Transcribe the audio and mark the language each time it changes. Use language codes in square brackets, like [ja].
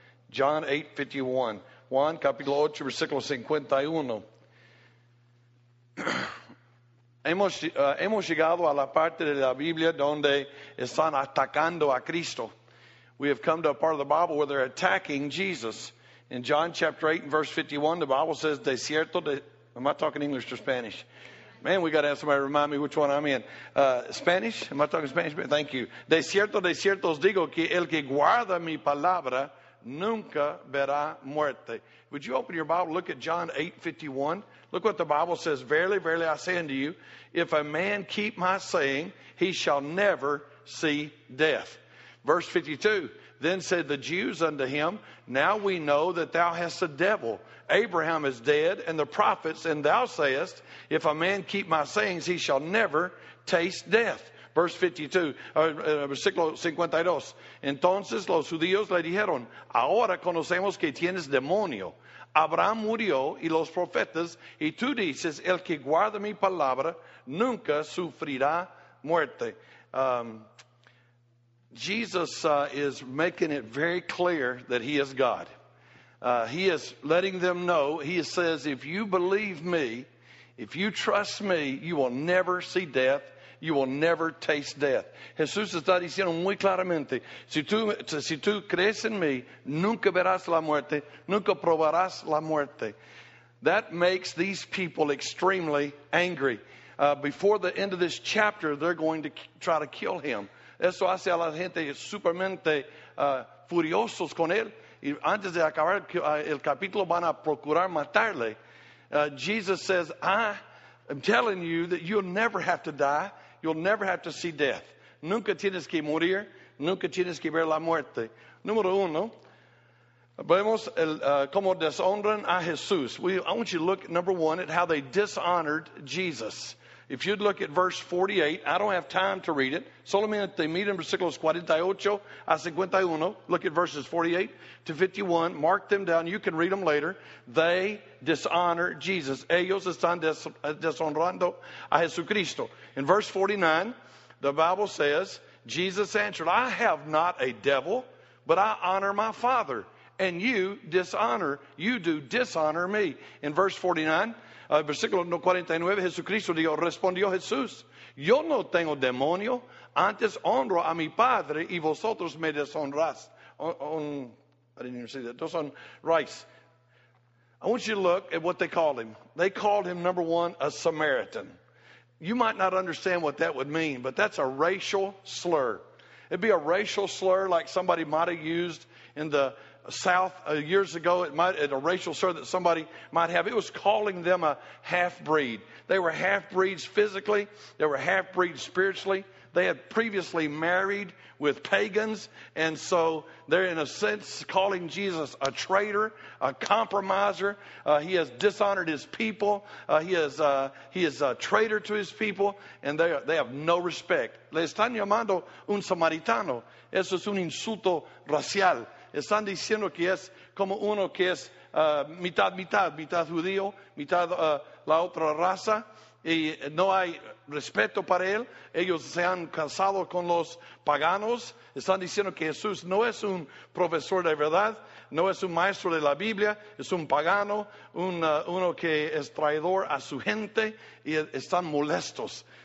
[es] John 8:51. Juan, capítulo 8, versículo 51. Hemos llegado a la parte de la Biblia donde están atacando a Cristo. [en] We have come to a part of the Bible where they're attacking Jesus. In John chapter 8 and verse 51, the Bible says, [es] De cierto, [en] am I talking English or Spanish? Man, we got to have somebody remind me which one I'm in. Spanish? Am I talking Spanish? Thank you. [es] De cierto os digo que el que guarda mi palabra nunca verá muerte. [en] Would you open your Bible? Look at John 8:51. Look what the Bible says. Verily, verily, I say unto you, if a man keep my saying, he shall never see death. Verse 52. Then said the Jews unto him, Now we know that thou hast a devil. Abraham is dead, and the prophets, and thou sayest, if a man keep my sayings, he shall never taste death. Verse 52, [es] versículo 52. Entonces los judíos le dijeron, Ahora conocemos que tienes demonio. Abraham murió y los profetas, y tú dices, El que guarda mi palabra nunca sufrirá muerte. [en] Jesus is making it very clear that he is God. He is letting them know. He says, if you believe me, if you trust me, you will never see death. You will never taste death. [es] Jesús está diciendo muy claramente, si tú crees en mí, nunca verás la muerte, nunca probarás la muerte. [en] That makes these people extremely angry. Before the end of this chapter, they're going to try to kill him. [es] Eso hace a la gente supermente furiosos con él. Y antes de acabar el capítulo, van a procurar matarle. [en] Jesus says, I am telling you that you'll never have to die. You'll never have to see death. [es] Nunca tienes que morir. Nunca tienes que ver la muerte. Número uno. Vemos cómo deshonran a Jesús. [en] I want you to look, number one, at how they dishonored Jesus. If you'd look at verse 48, I don't have time to read it. [es] Solamente miren versículos 48 a 51. [en] Look at verses 48 to 51. Mark them down. You can read them later. They dishonor Jesus. [es] Ellos están deshonrando a Jesucristo. [en] In verse 49, the Bible says, Jesus answered, I have not a devil, but I honor my Father. And you do dishonor me. [es] In verse 49, versículo 49, Jesucristo dijo, respondió Jesús, yo no tengo demonio, antes honro a mi Padre y vosotros me deshonras. [en] I didn't even say that. [es] Deshonrais. [en] I want you to look at what they called him. They called him, number one, a Samaritan. You might not understand what that would mean, but that's a racial slur. It'd be a racial slur like somebody might have used in the South years ago. A racial slur that somebody might have. It was calling them a half-breed. They were half-breeds physically. They were half-breeds spiritually. They had previously married with pagans, and so they're in a sense calling Jesus a traitor, a compromiser. He has dishonored his people. He is a traitor to his people, and they have no respect. [es] Le están llamando un samaritano. Eso es un insulto racial. Están diciendo que es como uno que es mitad judío, mitad la otra raza, y no hay respeto para él. Ellos se han casado con los paganos. Están diciendo que Jesús no es un profesor de verdad, no es un maestro de la Biblia, es un pagano, uno que es traidor a su gente, y están molestos.